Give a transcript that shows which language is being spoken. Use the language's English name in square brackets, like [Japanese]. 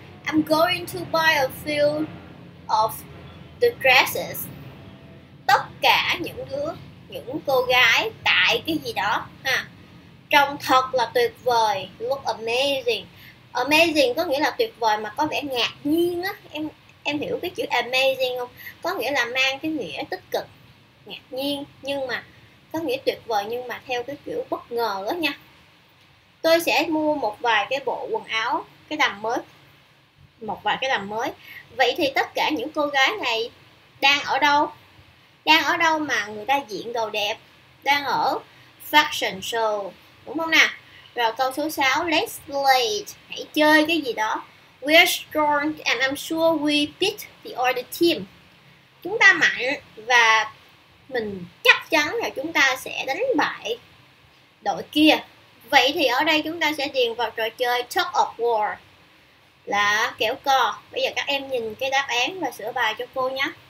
[English] I'm going to buy a few of the dresses. [Vietnamese] Tất cả những đứa, những cô gái tại cái gì đó ha, trông thật là tuyệt vời. [English] Look amazing. [Vietnamese] Amazing có nghĩa là tuyệt vời mà có vẻ ngạc nhiên á. Em hiểu cái chữ amazing không? Có nghĩa là mang cái nghĩa tích cực, ngạc nhiên, nhưng mà có nghĩa tuyệt vời nhưng mà theo cái kiểu bất ngờ đó nha. Tôi sẽ mua một vài cái bộ quần áo, cái đầm mới. Một vài cái đầm mới. Vậy thì tất cả những cô gái này đang ở đâu? Đang ở đâu mà người ta diện đồ đẹp? Đang ở fashion show, đúng không nào? Rồi câu số 6, [English] let's play. [Vietnamese] Hãy chơi cái gì đó. [English] We are strong and I'm sure we beat the other team. [Vietnamese] Chúng ta mạnh và mình chắc chắn là chúng ta sẽ đánh bại đội kia. Vậy thì ở đây chúng ta sẽ điền vào trò chơi tug of war là kéo co. Bây giờ các em nhìn cái đáp án và sửa bài cho cô nhé.